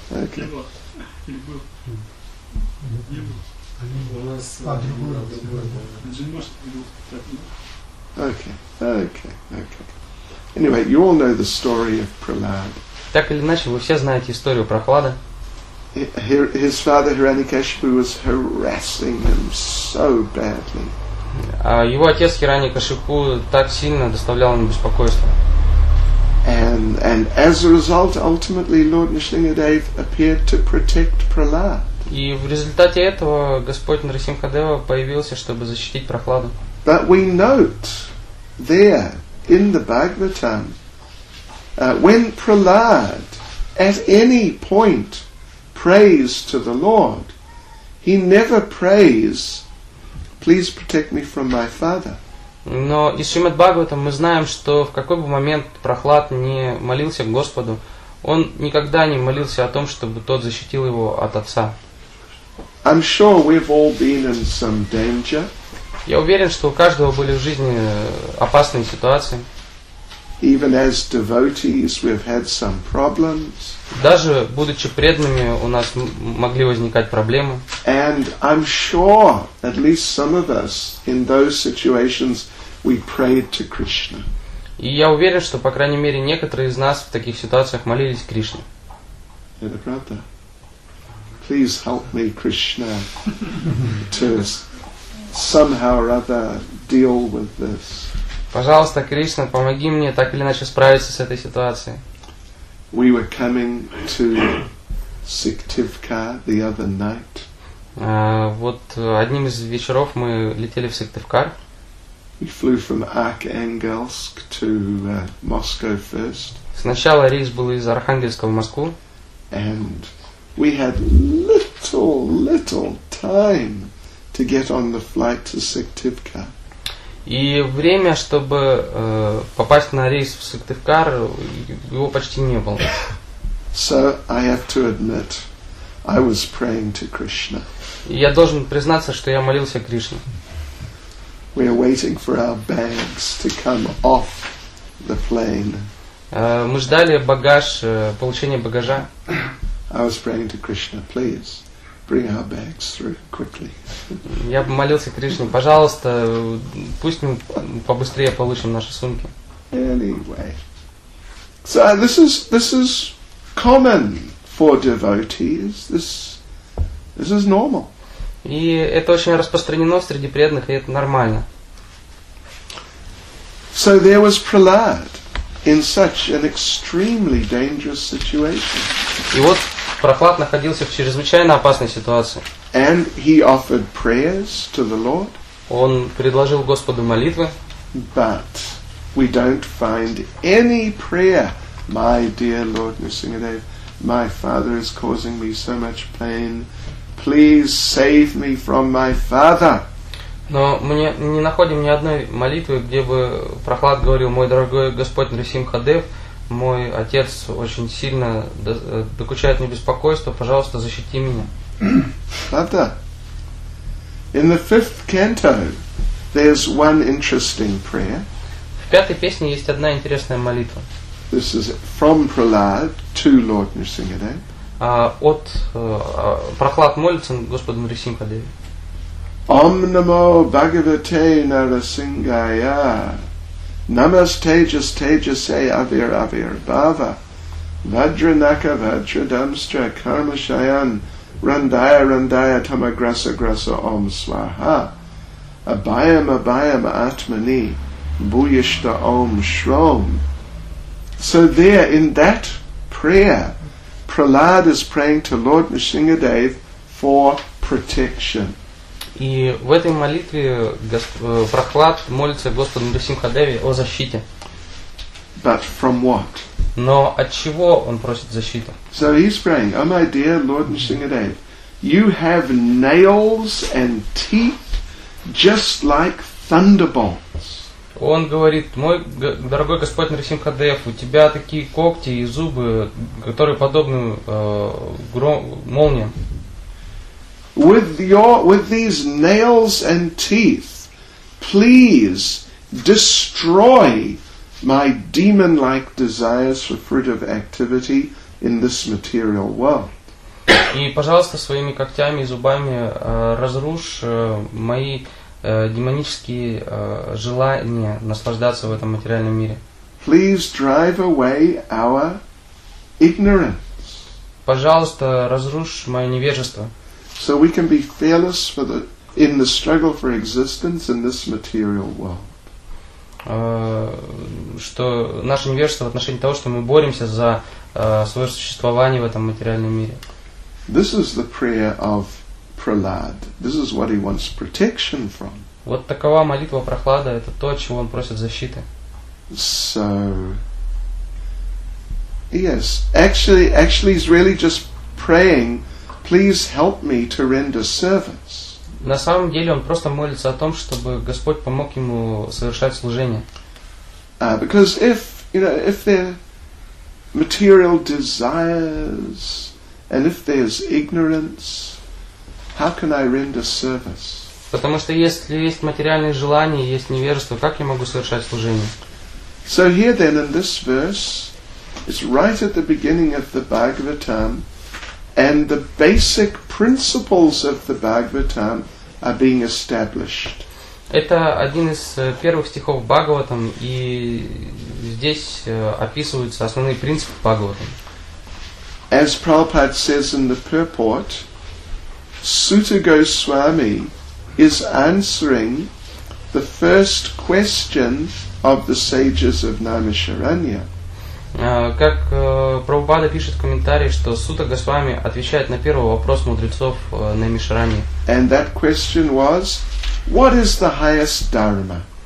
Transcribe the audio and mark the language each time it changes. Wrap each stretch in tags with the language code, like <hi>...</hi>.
<en>Okay. Anyway, you all know the story of Prahlad.</en> <ru>Так или иначе, вы все знаете историю Прохлада.</ru> <en>His father Hiranyakeshipu was harassing him so badly.</en> <ru>Его отец Хиранякашипу так сильно доставлял ему беспокойство.</ru> <en>And as a result, ultimately Lord Nrisimhadev appeared to protect Prahlad.</en> <ru>И в результате этого Господь Нрисимхадева появился, чтобы защитить Прохладу.</ru> <en>But we note there in the Bhagavatam, when Prahlad at any point prays to the Lord, he never prays, please protect me from my father.</en> <ru>Но из Шримад Бхагаватам мы знаем, что в какой бы момент Прохлад не молился к Господу, он никогда не молился о том, чтобы тот защитил его от отца.</ru> <en>I'm sure we've all been in some danger.</en> <ru>Я уверен, что у каждого были в жизни опасные ситуации.</ru> <en>Even as devotees, we've had some problems.</en> <ru>Даже будучи преданными, у нас могли возникать проблемы.</ru> <en>And I'm sure at least some of us in those situations we prayed to Krishna.</en> <ru>И я уверен, что по крайней мере некоторые из нас в таких ситуациях молились Кришне.</ru> <en>Please help me, Krishna, to somehow or other deal with this.</en> <ru>Пожалуйста, Кришна, помоги мне так или иначе справиться с этой ситуацией.</ru> <en>We were coming to Siktivka the other night.</en> <ru>Вот одним из вечеров мы летели в Сыктывкар.</ru> <en>We flew from Arkhangelsk to Moscow first.</en> <ru>Сначала рейс был из Архангельска в Москву.</ru> <en>And we had little time to get on the flight to Siktivkar.</en> <ru>И время, чтобы попасть на рейс в Сыктывкар, его почти не было.</ru> <en>So I have to admit, I was praying to Krishna.</en> <ru>Я должен признаться, что я молился Кришне.</ru> <en>We are waiting for our bags to come off the plane.</en> <ru>Мы ждали багаж, получение багажа.</ru> <en>I was praying to Krishna, please bring our bags through quickly.</en> <ru>Я молился Кришне, пожалуйста, пусть мы побыстрее получим наши сумки.</ru> <en>Anyway, so this is common for devotees. This is normal.</en> <ru>И это очень распространено среди преданных, и это нормально.</ru> <en>So there was Prahlad in such an extremely dangerous situation.</en> <ru>И вот Прохлад находился в чрезвычайно опасной ситуации.</ru> <en>And he offered prayers to the Lord.</en> <ru>Он предложил Господу молитвы.</ru> <en>But we don't find any prayer, my dear Lord Nrisimhadev, my father is causing me so much pain. Please save me from my father.</en> <ru>Но мы не находим ни одной молитвы, где бы Прохлад говорил: мой дорогой Господь Нрисимхадев, мой отец очень сильно докучает мне беспокойство, пожалуйста, защити меня.</ru> <en>Father, in the fifth canto, there's one interesting prayer.</en> <ru>В пятой песне есть одна интересная молитва.</ru> <en>This is from Prahlad to Lord Nrisimhadev.</en> <ru>Прохлад молится Господу Нрисимхадеве.</ru> <sa>Om namo bhagavate narasingaya. Namaste jas tejase avir avir bhava vajranaka vajradamstra karmashayan randaya randaya tamagrasa grasa om swaha abhayam abhayam atmani bhuyishta om shrom.</sa> <en>So there in that prayer Prahlad is praying to Lord Nrisimhadev for protection.</en> <ru>И в этой молитве Прохлад молится Господу Нрисимхадеве о защите.</ru> <en>But from what?</en> <ru>Но от чего он просит защиту?</ru> <en>So he's praying, oh my dear Lord Nrisimhadev, you have nails and teeth just like thunderbolts.</en> <ru>Он говорит: мой дорогой Господь Нрисимхадев, у тебя такие когти и зубы, которые подобны молниям.</ru> <en>With these nails and teeth, please destroy my demon-like desires for fruitive activity in this material world.</en> <ru>И, пожалуйста, своими когтями и зубами разрушь мои демонические желания наслаждаться в этом материальном мире.</ru> <en>Please drive away our ignorance.</en> <ru>Пожалуйста, разрушь мое невежество.</ru> <en>So we can be fearless for the in the struggle for existence in this material world.</en> <ru>Что наше невежество в отношении того, что мы боремся за свое существование в этом материальном мире.</ru> <en>This is the prayer of Prahlad. This is what he wants protection from.</en> <ru>Вот такова молитва Прохлада, это то, от чего он просит защиты.</ru> <en>So yes, actually he's really just praying, please help me to render service.</en> <ru>На самом деле он просто молится о том, чтобы Господь помог ему совершать служение.</ru> <en>Because if, you know, if there are material desires and if there's ignorance, how can I render service?</en> <ru>Потому что если есть материальные желания, есть невежество, как я могу совершать служение?</ru> <en>So here then in this verse, it's right at the beginning of the Bhagavatam, and the basic principles of the Bhagavatam are being established.</en> <ru>Это один из первых стихов Бхагаватам, и здесь описываются основные принципы Бхагаватам.</ru> <en>As Prabhupada says in the purport, Suta Goswami is answering the first question of the sages of Naimisharanya.</en> <ru>Как Прабхупада пишет в комментарии, что Сута Госвами отвечает на первый вопрос мудрецов Наймишарани.</ru> <en>And that question was, what is the highest dharma?</en>